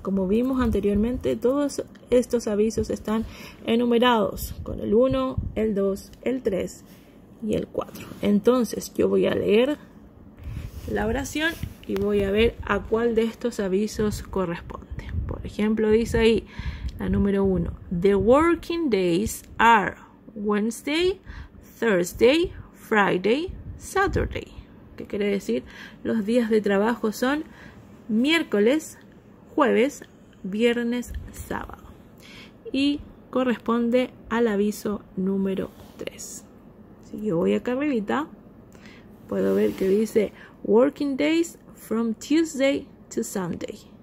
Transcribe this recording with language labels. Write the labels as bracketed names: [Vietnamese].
[Spanish] Como vimos anteriormente, todos estos avisos están enumerados con el 1, el 2, el 3 y el 4. Entonces, yo voy a leer la oración y voy a ver a cuál de estos avisos corresponde. Por ejemplo, dice ahí la número 1. [English] The working days are Wednesday, Thursday, Friday, Saturday. [Spanish] ¿Qué quiere decir? Los días de trabajo son miércoles, jueves, viernes, sábado. Y corresponde al aviso número 3. Si yo voy acá arribita, puedo ver que dice [English] working days from Tuesday to Sunday.